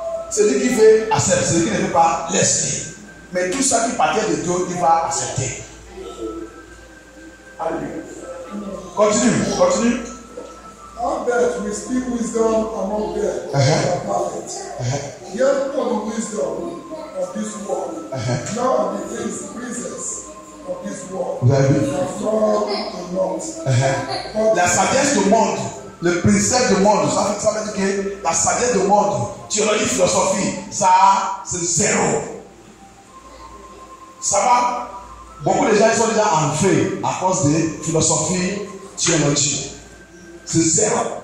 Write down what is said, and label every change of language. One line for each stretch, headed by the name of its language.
French: Celui qui veut accepter, celui qui ne veut pas laisser. Mais tout ça qui partait de Dieu, il va accepter. Alléluia. Continue.
English: How that we speak wisdom among them that are perfect. Yet for the wisdom of this world, now are the things princes of this world, that fall to naught.
French: La sagesse du monde, le princesse du monde, ça veut dire que la sagesse du monde, théologie, philosophie, ça c'est zéro. Ça va? Beaucoup de gens sont déjà en fait à cause de philosophie, théologie. C'est zéro.